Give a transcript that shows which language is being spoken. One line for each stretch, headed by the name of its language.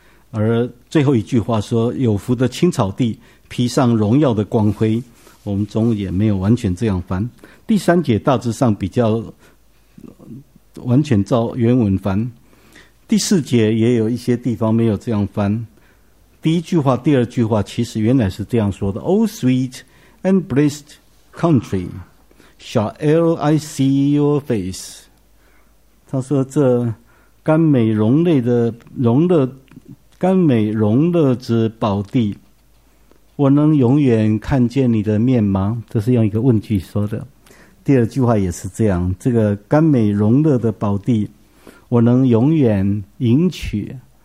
Chinese: 而最后一句话说有福的青草地披上荣耀的光辉，我们中文也没有完全这样翻。第三节大致上比较完全照原文翻，第四节也有一些地方没有这样翻。第一句话第二句话其实原来是这样说的，
English: Oh sweet and blessed country, shall I see your face?
Chinese: 他说这甘美荣类的荣乐，甘美荣乐之宝地，我能永远看见你的面吗？这是用一个问句说的。第二句话也是这样，这个甘美荣乐的宝地，我能永远迎娶